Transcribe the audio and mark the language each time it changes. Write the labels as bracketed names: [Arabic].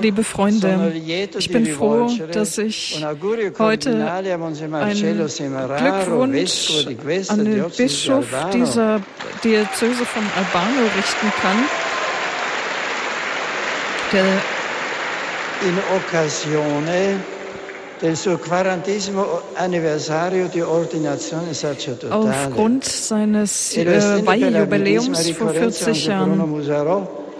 [German] liebe Freunde, ich bin froh, dass ich heute einen Glückwunsch an den Bischof dieser Diözese von Albano richten kann, der [Italian] in occasione del suo 40. Anniversario di ordinazione sacerdotale [German] aufgrund seines Weihejubiläums vor 40 Jahren